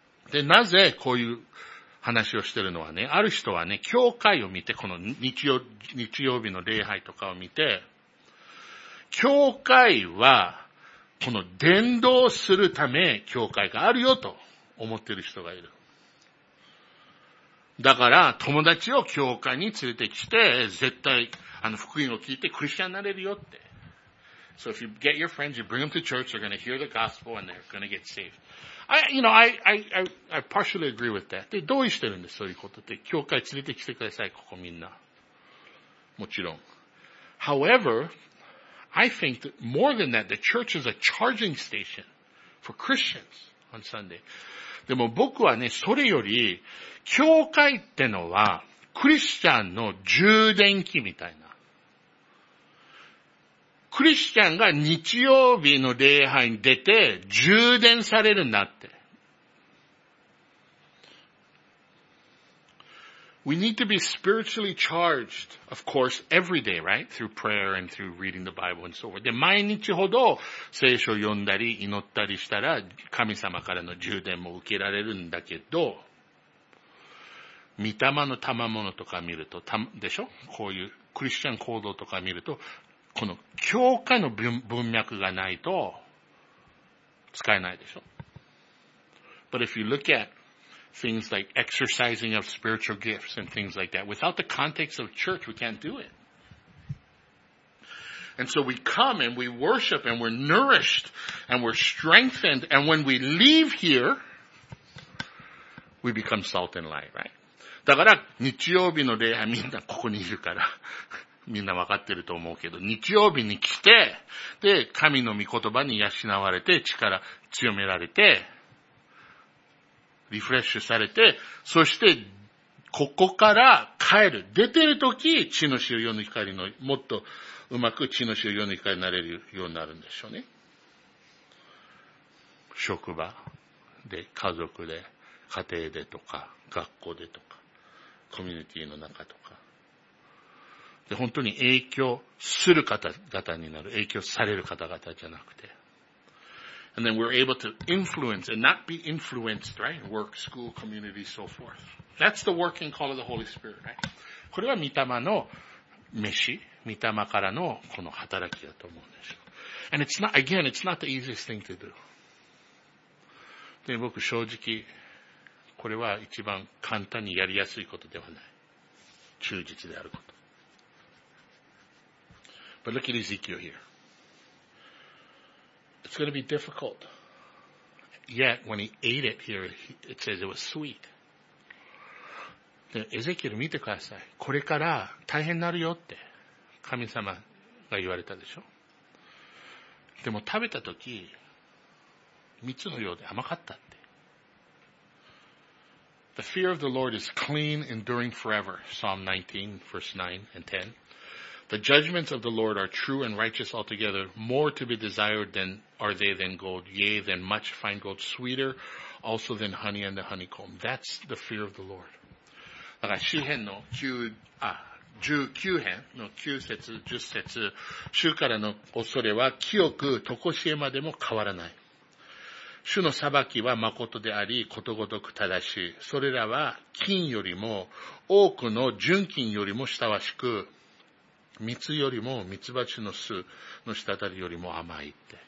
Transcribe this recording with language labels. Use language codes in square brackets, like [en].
[ja] で、なぜこういう、話をしてるのはね、ある人はね、教会を見て、この日曜日の礼拝とかを見て、教会は、この伝道するため、教会があるよと思ってる人がいる。だから、友達を教会に連れてきて、絶対、福音を聞いてクリスチャンになれるよって。 [en] So if you get your friends, you bring them to church, they're going to hear the gospel and they're going to get saved. I partially agree with that. [ja] で、どうしてるんです、そういうことって。教会連れてきてください、ここみんな。もちろん。 [en] However, I think that more than that, the church is a charging station for Christians on Sunday. [ja] でも僕はね、それより、教会ってのは、クリスチャンの充電器みたいな。クリスチャンが日曜日の礼拝に出て充電されるんだって。 [en] We need to be spiritually charged, of course, every day, right? Through prayer and through reading the Bible and so forth. [ja] で、毎日ほど聖書を読んだり祈ったりしたら神様からの充電も受けられるんだけど、御霊の賜物とか見ると、でしょ？こういうクリスチャン行動とか見ると、この教会の文脈がないと使えないでしょ。 [en] But if you look at things like exercising of spiritual gifts and things like that, without the context of church, we can't do it. And so we come and we worship and we're nourished and we're strengthened. And when we leave here, we become salt and light, right? [ja] だから日曜日の礼拝みんなここにいるから。みんなわかってると思うけど、日曜日に来て、で、神の御言葉に養われて、力強められて、リフレッシュされて、そして、ここから帰る。出てるとき、血の塩、世の光の、もっとうまく血の塩、世の光になれるようになるんでしょうね。職場で、家族で、家庭でとか、学校でとか、コミュニティの中とか。で本当に影響する方々になる、影響される方々じゃなくて。 [en] And then we're able to influence and not be influenced, right? Work, school, community, so forth. That's the working call of the Holy Spirit, right? [ja] これは御霊の召し、御霊からのこの働きだと思うんですよ。 [en] And it's not, again, it's not the easiest thing to do. [ja] で、僕正直、これは一番簡単にやりやすいことではない。忠実であること。 [en] But look at Ezekiel here. It's going to be difficult. Yet, when he ate it here, it says it was sweet. [ja] で、エゼキエル見てください。これから大変になるよって神様が言われたでしょ。でも食べたとき、蜜のようで甘かったって。 [en] The fear of the Lord is clean, enduring forever. Psalm 19, verse 9 and 10. The judgments of the Lord are true and righteous altogether, more to be desired than are they than gold, yea, than much fine gold, sweeter also than honey and the honeycomb. That's the fear of the Lord. [ja] だから、詩編の9節、10節、主からの恐れは清く、常しえまでも変わらない。主の裁きは誠であり、ことごとく正しい。それらは金よりも、多くの純金よりも親しく、蜜よりも、蜜蜂の巣の滴りよりも甘いって。